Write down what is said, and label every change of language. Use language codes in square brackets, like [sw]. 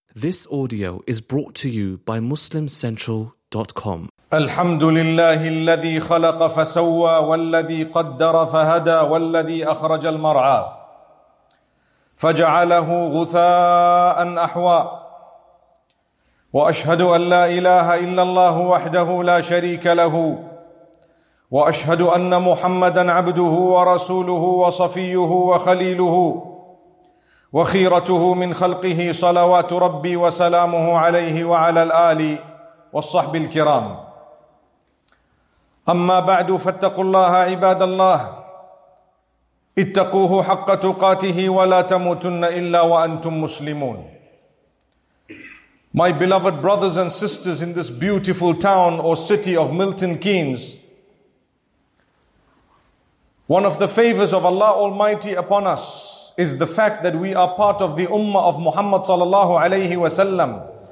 [en] This audio is brought to you by MuslimCentral.com. [ar] الحمد لله الذي خلق فسوى والذي قدر فهدى والذي أخرج المرعى فجعله غثاء أحوى وأشهد أن لا إله إلا الله وحده لا شريك له وأشهد أن محمدًا عبده ورسوله وصفيه وخليله وخيرته من خلقه صلوات ربي وسلامه عليه وعلى الآل والصحب الكرام. أما بعد، فاتقوا الله عباد الله، اتقوه حق تقاته ولا تموتن إلا وأنتم مسلمون. [en] My beloved brothers and sisters in this beautiful town or city of Milton Keynes, one of the favors of Allah Almighty upon us is the fact that we are part of the Ummah of Muhammad sallallahu alayhi wa sallam.